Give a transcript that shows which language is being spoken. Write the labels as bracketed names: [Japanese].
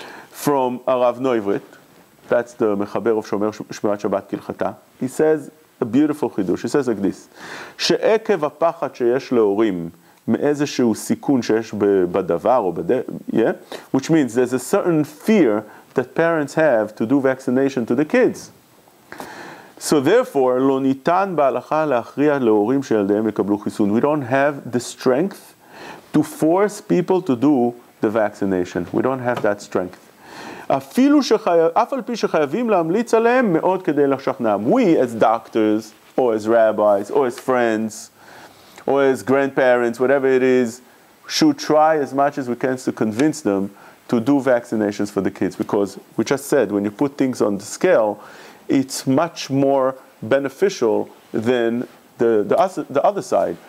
[English] from Arav Noivrit, that's the Mechaber of Shomer Shmirat Shabbat Kilchata, he says a beautiful chidush, he says like this, [Hebrew] שעקב הפחד שיש להורים מאיזשהו סיכון שיש בדבר, [English] which means there's a certain fear that parents have to do vaccination to the kids. So therefore, [Hebrew] לא ניתן בהלכה להכריע להורים שילדיהם יקבלו חיסון. [English] We don't have the strength to force people to do the vaccination. We don't have that strength. [Hebrew] אפילו אף על פי שחייבים להמליץ עליהם מאוד כדי לשכנעם. [English] We as doctors, or as rabbis, or as friends, or as grandparents, whatever it is, should try as much as we can to convince them to do vaccinations for the kids. Because we just said, when you put things on the scale, it's much more beneficial than the other side.